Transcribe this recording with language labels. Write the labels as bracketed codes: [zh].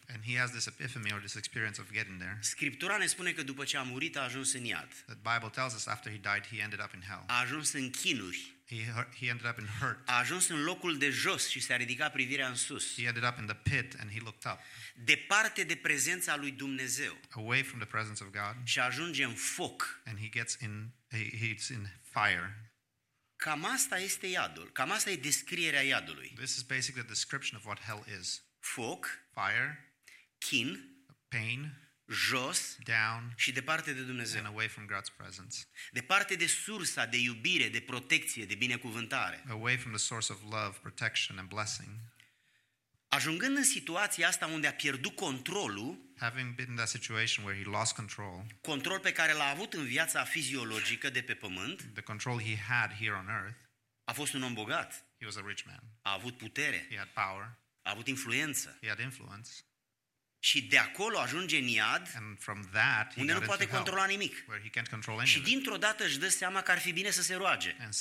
[en] And he has this epiphany or this experience of getting there. [ro] Scriptura ne spune că după ce a murit a ajuns în iad. [en] The Bible tells us after he died he ended up in hell. [ro] A ajuns în chinuri. [en] He ended up in hurt. [ro] A ajuns în locul de jos și s-a ridicat privirea în sus. [en] He ended up in the pit and he looked up. [ro] Departe de prezența lui Dumnezeu. [en] Away from the presence of God. [ro] Și ajunge în foc. [en] And he's in fire. [ro] Cam asta este iadul. Cam asta e descrierea iadului. [en] This is basically the description of what hell is. [ro] Foc. [en] Fire. [ro] Chin, [en] pain, [ro] jos, [en] down, [ro] și departe de Dumnezeu, [en] and away from God's presence. [ro] Departe de sursa de iubire, de protecție, de binecuvântare. [en] Away from the source of love, protection and blessing. [ro] Ajungând în situația asta unde a pierdut controlul, [en] having been in that situation where he lost control, [ro] control pe care l-a avut în viața fiziologică de pe pământ, [en] the control he had here on earth, [ro] a fost un om bogat. [en] He was a rich man. [ro] A avut putere. [en] He had power. [ro] A avut influență. [en] He had influence. [ro] Și de acolo ajunge în iad, [en] that, [ro] unde nu poate controla nimic. Și dintr-o dată își dă seama că ar fi bine să se roage.